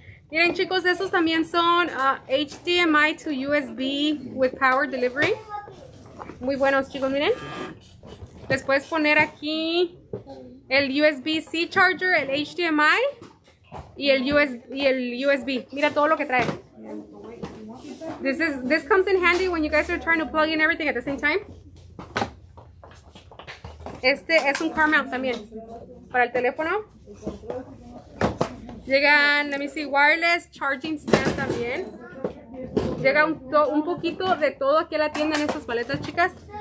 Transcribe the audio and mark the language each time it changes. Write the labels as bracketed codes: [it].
[es] Miren, chicos, estos también son HDMI to USB with power delivery. Muy buenos, chicos, miren. Les puedes poner aquí el USB-C charger, el HDMI y el USB. Mira todo lo que trae. [en] This comes in handy when you guys are trying to plug in everything at the same time. [es] Este es un car mount también para el teléfono. Llegan, [en] let me see, [es] wireless charging stand también. Llega un poquito de todo aquí a la tienda en estas paletas, chicas.